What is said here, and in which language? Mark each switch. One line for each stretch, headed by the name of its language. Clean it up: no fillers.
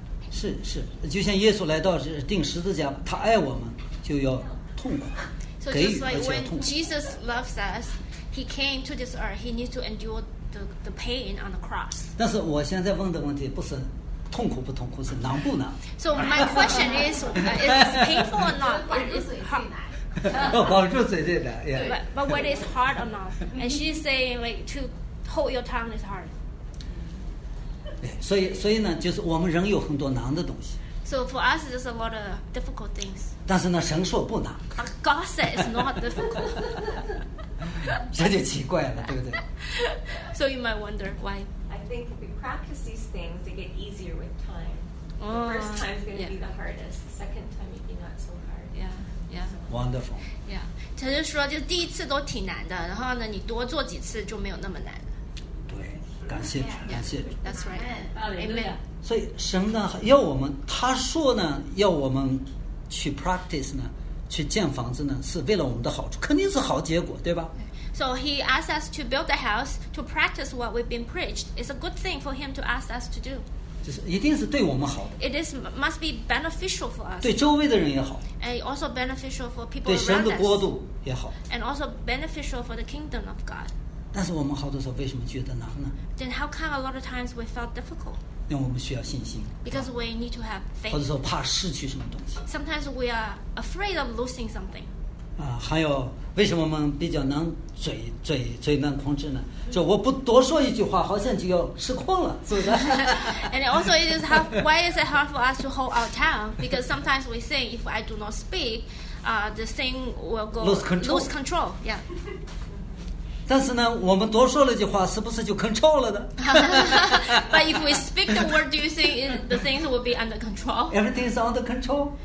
Chinese: 是是，就像耶稣来到钉十字架，他爱我们就要痛苦，给予而且要痛苦。
English: Jesus loves us. He came to this earth. He needs to endureThe pain on the cross.
Chinese: 但是我现在问的问题不是痛苦不痛苦，是难不难。
English: So my question is, is painful or not? Is
Chinese: hard. 保住嘴最难。Yeah.
English: But what is hard or not? And she's saying like to hold your tongue is hard.
Chinese: 所以呢，就是我们人有很多难的东西。
English: So for us, there's a lot of difficult things.
Chinese: 但是呢，神说不难。
English: God said it's not difficult.
Chinese: 这就奇怪了，对不对
English: ？So you might wonder why. I think if we practice these things, they get easier with time. The first time is going to be the hardest. The second time, maybe not so hard. Yeah, yeah. Wonderful.
Chinese: Yeah， 他就说，就第一次都挺难的，然后呢，你多做几次就没有那么难了。对，感谢主，感谢主。
English: That's right. Amen.
Chinese: 所以神呢，要我们，他说呢，要我们去 practice 呢。去建房子呢，是为了我们的好处，肯定是好结果，对吧
English: ？So he asks us to build the house to practice what we've been preached. It's a good thing for him to ask us to do.
Chinese: 就是一定是对我们好的。
English: It is must be beneficial for us.
Chinese: 对周围的人也好。
English: And also beneficial for people.
Chinese: 对神的国度也好。
English: And also beneficial for the kingdom of God.
Chinese: 但是我们好多时候为什么觉得难呢
English: ？Then how come a lot of times we felt difficult?
Chinese: 因为我们需要信心。
English: Because we need to have faith.
Chinese: 或者说怕失去什么东西。
English: Sometimes we are afraid of losing something.
Chinese: 还有为什么我们比较能嘴能控制呢？就我不多说一句话好像就要失控了，是不是？
English: And also it is hard, why is it hard for us to hold our tongue? Because sometimes we think if I do not speak, the thing will go lose control. Yeah.
Chinese: 但是呢我们多说了一句话是不是就 control 了的？
English: But if we speak the word, do you think the things will be under control? Everything is under control.